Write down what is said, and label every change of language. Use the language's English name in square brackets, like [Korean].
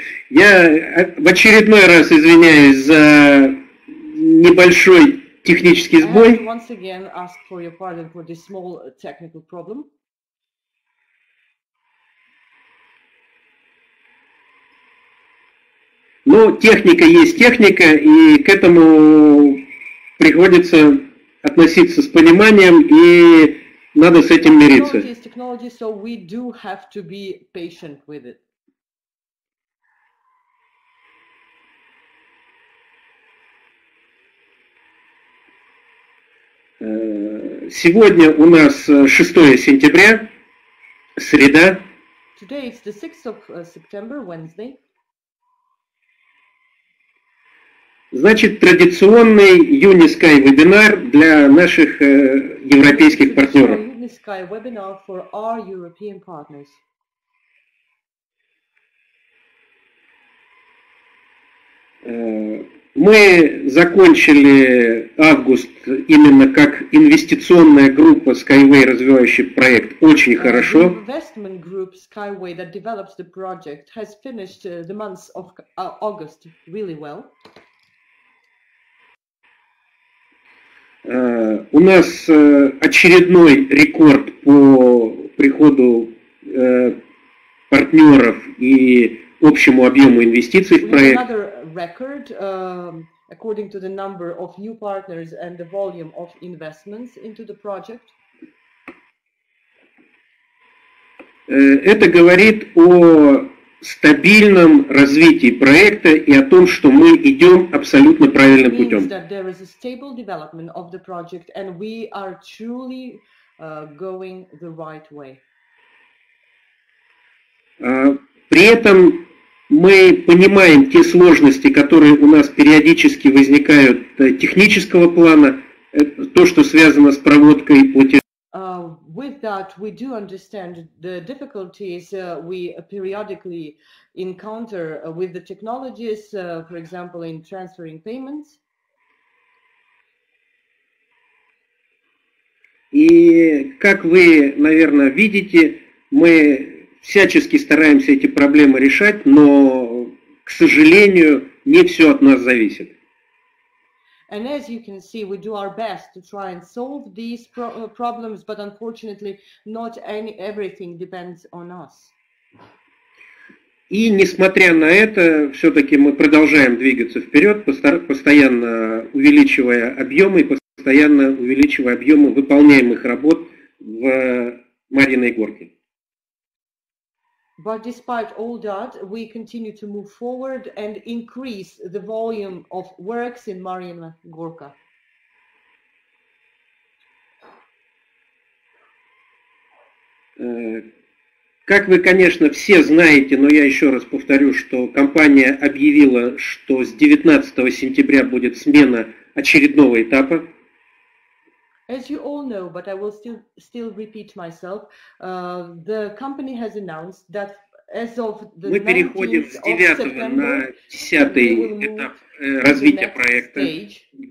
[Russian] Я в очередной раз извиняюсь за небольшой технический сбой. [English] Once again ask for your pardon for this small technical problem. [Russian] Но техника есть техника, и к этому приходится относиться с пониманием, и надо с этим мириться. [English] Technology, so we do have to be patient with it. [Russian] Сегодня у нас 6 сентября, среда. [English] Today is the 6th of September, Wednesday. [Russian] Значит, традиционный Unisky вебинар для наших европейских партнеров. [English] Unisky webinar for our European partners. [Russian] Мы закончили август именно как инвестиционная группа Skyway, развивающий проект, очень хорошо. [English] Investment group Skyway that develops the project has finished the month of August really well. [Russian] У нас очередной рекорд по приходу партнеров и общему объему инвестиций в проект. [English] Another record according to the number of new partners and the volume of investments into the project. [Russian] Это говорит о стабильном развитии проекта и о том, что мы идем абсолютно правильным путем. [English] It means that there is a stable development of the project and we are truly going the right way. [Russian] При этом мы понимаем те сложности, которые у нас периодически возникают технического плана, то, что связано с проводкой пути. [English] With that, we do understand the difficulties we periodically encounter with the technologies, for example, in transferring payments. [Russian] И как вы, наверное, видите, мы всячески стараемся эти проблемы решать, но, к сожалению, не все от нас зависит. [English] And as you can see, we do our best to try and solve these problems, but unfortunately, not everything depends on us. [Russian] И несмотря на это, все-таки мы продолжаем двигаться вперед, постоянно увеличивая объемы, выполняемых работ в Марьиной Горке. [English] But despite all that, we continue to move forward and increase the volume of works in Marina Gorka. [Russian] Как вы, конечно, все знаете, но я еще раз повторю, что компания объявила, что с 19 сентября будет смена очередного этапа. [English] As you all know, but I will still repeat myself, the company has announced that as of the 19th of September, we will move to the next stage.